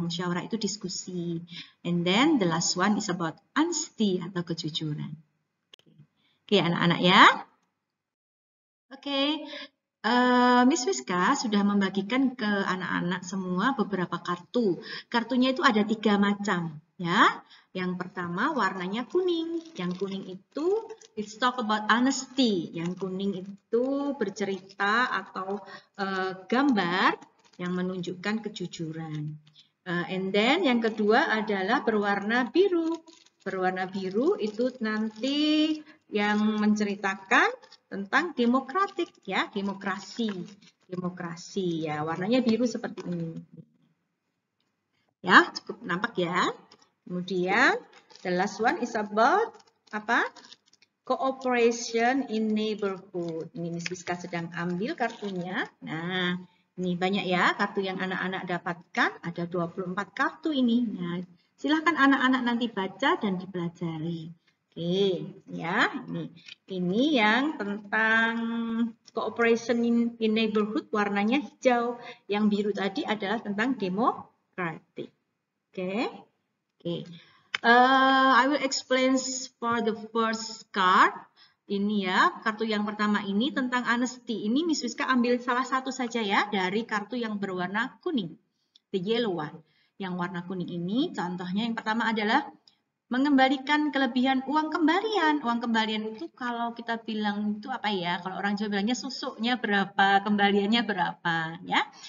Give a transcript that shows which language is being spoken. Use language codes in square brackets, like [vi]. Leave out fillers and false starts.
[id] Musyawarah itu diskusi. [en] And then, the last one is about honesty [id] atau kejujuran. Oke, anak-anak ya. Oke. Miss Wiska sudah membagikan ke anak-anak semua beberapa kartu. Kartunya itu ada 3 macam, ya. Yang pertama warnanya kuning. Yang kuning itu [en] it's talk about honesty. [id] Yang kuning itu bercerita atau gambar yang menunjukkan kejujuran. [en] And then [id] yang kedua adalah berwarna biru. Berwarna biru itu nanti yang menceritakan tentang demokratik, ya, demokrasi, demokrasi, ya, warnanya biru seperti ini, ya, cukup nampak, ya. Kemudian, [en] the last one is about [id] apa? [en] Cooperation in neighborhood. [id] Ini Miss Wiska sedang ambil kartunya. Nah, ini banyak, ya, kartu yang anak-anak dapatkan, ada 24 kartu ini. Nah, silahkan anak-anak nanti baca dan dipelajari. Ya, ini yang tentang [en] cooperation in neighborhood [id] warnanya hijau. Yang biru tadi adalah tentang demokratik. Oke. Okay. [en] I will explain for the first card. [id] Ini ya, kartu yang pertama ini tentang honesty. Ini Miss Wiska ambil salah satu saja ya dari kartu yang berwarna kuning. [en] The yellow one. [id] Yang warna kuning ini contohnya yang pertama adalah mengembalikan kelebihan uang kembalian. Uang kembalian itu kalau kita bilang itu apa ya? Kalau orang Jawa bilangnya susuknya berapa, kembaliannya berapa, ya.